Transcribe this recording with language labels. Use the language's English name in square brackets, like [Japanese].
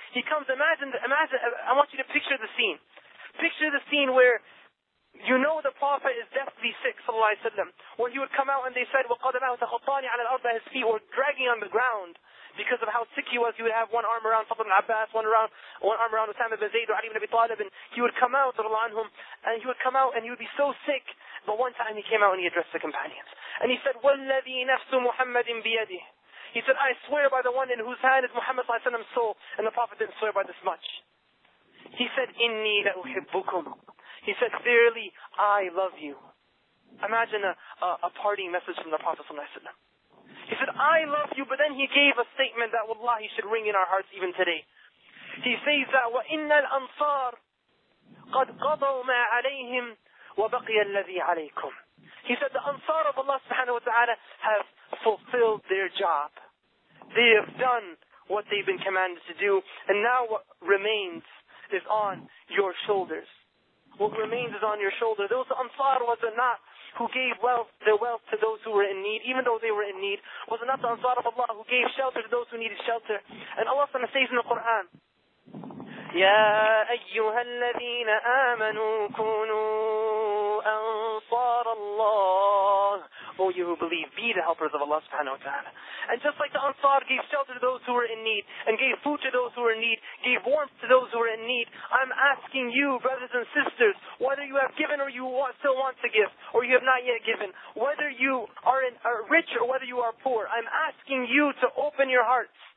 [English] He comes, imagine, I want you to picture the scene. Picture the scene where you know the Prophet is deathly sick, sallallahu alayhi wa sallam, where he would come out and they said, [Arabic] وَقَدَمَهُ تَخُطَّانِ عَلَى الْأَرْضَ, [English] his feet were dragging on the ground because of how sick he was. He would have one arm around Fadl ibn Abbas, one arm around Usama ibn Zayd or Ali ibn Abi Talib, and he would come out, radiallahu anhum, and he would come out and he would be so sick. But one time he came out and he addressed the companions. And he said, [Arabic] وَالَّذِي نَفْسُ مُحَمَّدٍ بِيَدِهِ. [English] He said, I swear by the one in whose hand is Muhammad sallallahu alayhi wa sallam's soul. And the Prophet didn't swear by this much. He said, [Arabic] إِنِّي لَأُحِبُّكُمْ. [English] He said, verily, I love you. Imagine a parting message from the Prophet sallallahu alayhi wa sallam. He said, I love you, but then he gave a statement that wallahi should ring in our hearts even today. He says that, [Arabic] وَإِنَّ الْأَنصَارِ قَدْ قَضَوْا مَا عَلَيْهِمْ وَبَقِيَ الَّذِي عَلَيْكُمْ. [English] He said, the Ansar of Allah subhanahu wa ta'ala have fulfilled their job. They have done what they've been commanded to do. And now what remains is on your shoulders. What remains is on your shoulder. Those Ansar, was it not who gave wealth, their wealth to those who were in need, even though they were in need? Was it not the Ansar of Allah who gave shelter to those who needed shelter? And Allah says in the Quran, [Arabic] يَا أَيُّهَا الَّذِينَ آمَنُوا كُونُوا أَنصَارَ اللَّهِ. [English] O you who believe, be the helpers of Allah subhanahu wa ta'ala. And just like the Ansar gave shelter to those who were in need, and gave food to those who were in need, gave warmth to those who were in need, I'm asking you, brothers and sisters, whether you have given or you still want to give, or you have not yet given, whether you are rich or whether you are poor, I'm asking you to open your hearts.